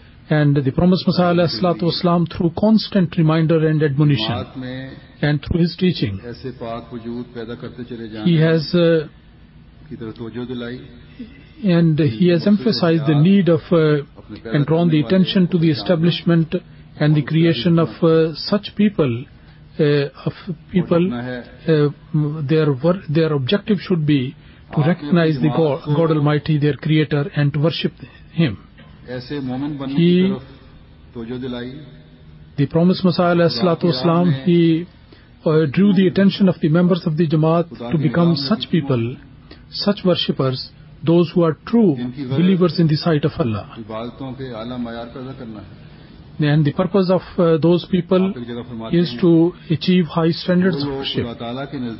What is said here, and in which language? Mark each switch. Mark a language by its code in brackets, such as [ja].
[en] And the promised Messiah alayhi salatu wasalam, through constant reminder and admonition and through his teaching, he has emphasized the need of and drawn the attention to the establishment and the creation of such people their objective should be to recognize the God Almighty, their creator, and to worship him. [ur] ایسے مومن بننے کی طرف توجہ دلائی. [en] The promised مسیح علیہ الصلوۃ والسلام he drew the attention of the members of the Jamaat to become such people such worshippers those who are true believers in the sight of Allah. [ur] عبادتوں کے اعلی معیار پیدا کرنا ہے. [en] And the purpose of those people is to achieve high standards of worship.